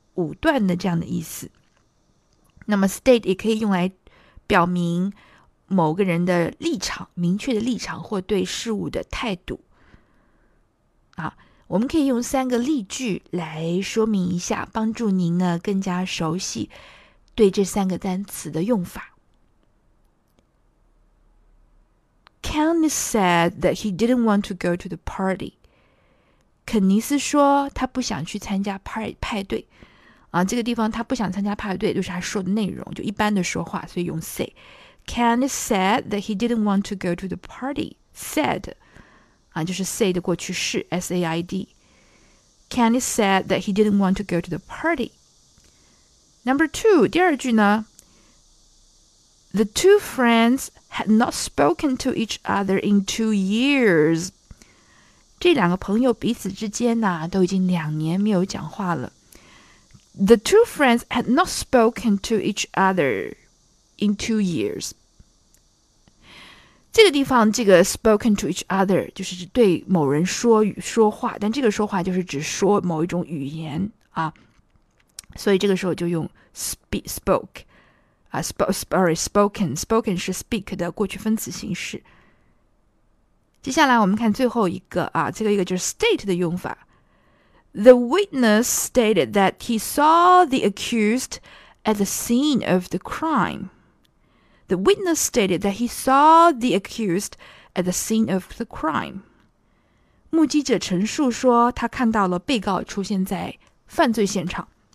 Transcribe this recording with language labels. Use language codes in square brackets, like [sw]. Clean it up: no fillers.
[zh] 武断的这样的意思，那么 state 也可以用来表明某个人的立场，明确的立场或对事物的态度。啊，我们可以用三个例句来说明一下，帮助您呢更加熟悉对这三个单词的用法。 [en] Ken said that he didn't want to go to the party。 [zh] 肯尼斯说他不想去参加派对。啊，这个地方他不想参加派对，就是他说的内容，就一般的说话，所以用 say。 [en] Ken said that he didn't want to go to the party. Said， [zh] 啊，就是 say 的过去式， [en] said。 Ken said that he didn't want to go to the party. Number two， [zh] 第二句呢？ [en] The two friends had not spoken to each other in 2 years. [zh] 这两个朋友彼此之间呢，都已经2年没有讲话了。 [en] The two friends had not spoken to each other in 2 years。 [zh] 这个地方，这个 spoken to each other 就是指对某人说话，但这个说话就是指说某一种语言啊。所以这个时候就用 spoke 啊，spoken 是 speak 的过去分词形式。接下来我们看最后一个啊，最后一个就是 state 的用法。 [en] The witness stated that he saw the accused at the scene of the crime. The witness stated that he saw the accused at the scene of the crime. [zh] 目击者陈述说，他看到了被告出现在犯罪现场。